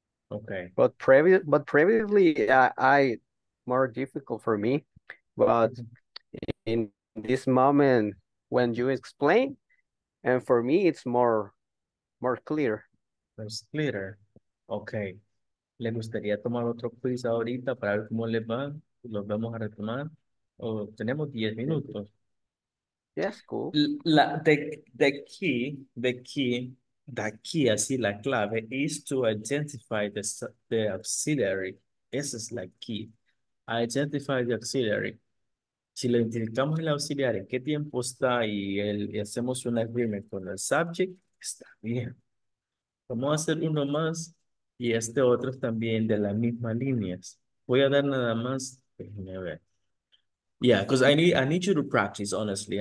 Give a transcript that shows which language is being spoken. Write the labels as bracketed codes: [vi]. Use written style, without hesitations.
[en] Okay. But previously, I more difficult for me. But in this moment, when you explain, and for me, it's more clear. It's clearer. Okay. [es] ¿Le gustaría tomar otro quiz ahorita para ver cómo le va? ¿Lo vamos a retomar? ¿O tenemos 10 minutos? [en] Yes, cool. The key, [es] así la clave, [en] is to identify the auxiliary. [es] Esa es la key. [en] Identify the auxiliary. [es] Si le identificamos el auxiliar, ¿en qué tiempo está? Y hacemos un agreement con el subject, está bien. Vamos a hacer uno más. Y este otro también de las mismas líneas. Voy a dar nada más. Déjenme ver. [en] Yeah, because I need you to practice, honestly.